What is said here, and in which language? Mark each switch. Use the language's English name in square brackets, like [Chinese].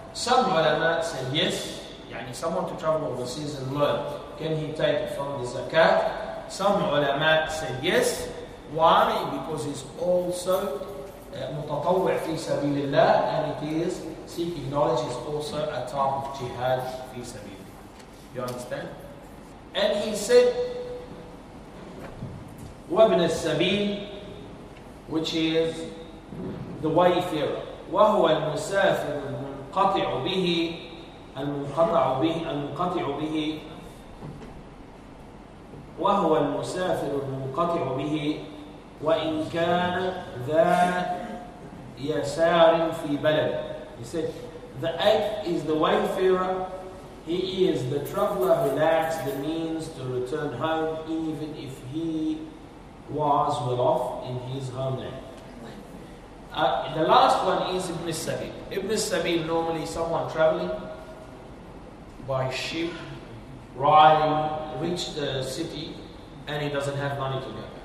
[English] Some ulama said yes. Yani, someone to travel overseas and learn, can he take from the zakat? Some ulama said yes. Why? Because it's also mutatawwi fi sabilillah, and it is seeking knowledge, is also a type of jihad fi sabilillah. You understand? And he said, [Arabic] وابن السبيل, [English] which is the wayfarer, [Arabic] وهو المسافر المنقطع به وهو المسافر المنقطع به وإن كان ذا يسار في بلد. [English] He said, the eighth is the wayfarer. He is the traveler who lacks the means to return home, even if he was well off in his homeland. The last one is Ibn Sabil. Ibn Sabil, normally someone traveling by ship, riding, reach the city, and he doesn't have money to go back.